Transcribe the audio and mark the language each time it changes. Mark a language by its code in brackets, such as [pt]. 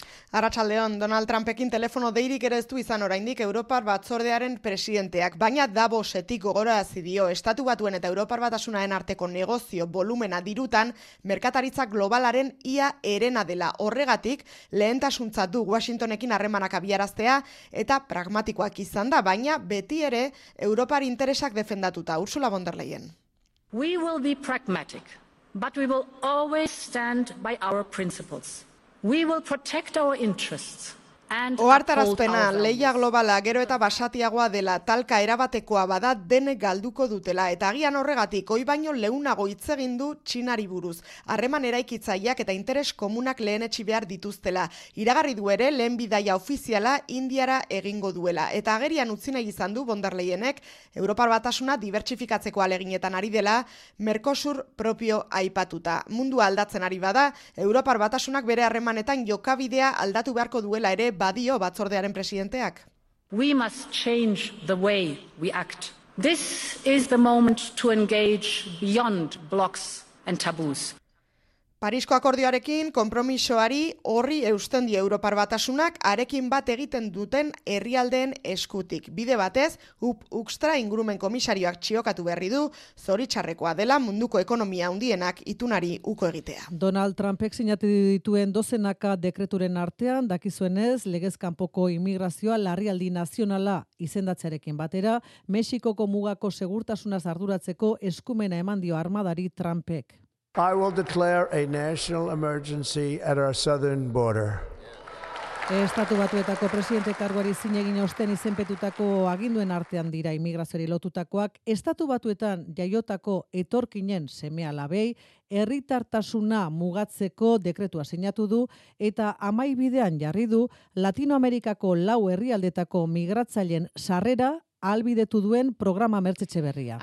[eu] Arratsaldeon, Donald Trumpekin telefono deirik ere ez du izan oraindik Europar Batzordearen presidenteak, baina Davosetik gogorarazi dio Estatu Batuen eta Europar Batasunaren arteko negozio volumena dirutan merkataritza globalaren ia herena dela. Horregatik, lehentasuntzat du Washingtonekin harremanak abiaraztea eta pragmatikoak izan da, baina beti ere Europar interesak defendatuta. Ursula von der Leyen. [en] We will be pragmatic, but we will always stand by our principles. We will protect our interests. [eu] Ohartarazpena, lehia globala gero eta basatiagoa dela, talka erabatekoa bada denek galduko dutela, eta agian horregatik, ohi baino leunago hitz egin du Txinari buruz. Harreman eraikitzaileak eta interes komunak lehenetsi behar dituztela. Iragarri du ere, lehen bidaia ofiziala Indiara egingo duela. Eta agerian utzi nahi izan du von der Leyenek, Europar Batasuna dibertsifikatzeko aleginetan ari dela, Mercosur propio aipatuta. Mundua aldatzen ari bada, Europar Batasunak bere harremanetan jokabidea aldatu beharko duela ere badio batzordearen presidenteak. [en] We must change the way we act. This is the moment to engage beyond blocks and taboos. [eu] Parisko akordioarekin konpromisoari horri eusten die Europar Batasunak arekin bat egiten duten herrialdeen eskutik. Bide batez, Hub Hoekstra ingurumen komisarioak txiokatu berri du, zoritxarrekoa dela munduko ekonomia handienak itunari uko egitea. Donald Trumpek sinatu dituen dozenaka dekreturen artean, dakizuenez, legez kanpoko immigrazioa larrialdi nazionala izendatzearekin batera, Mexikoko mugako segurtasunaz arduratzeko eskumena eman dio armadari Trumpek. [en] I will declare a national emergency at our southern border. [eu] Estatu Batuetako presidente karguari zin egin osten izenpetutako aginduen artean dira immigrazioari lotutakoak, Estatu Batuetan jaiotako etorkinen semealabei herritartasuna mugatzeko dekretua sinatu du eta amaibidean jarri du Latinoamerikako 4 herrialdetako migratzaileen sarrera albidetu duen programa Mertxetxe berria.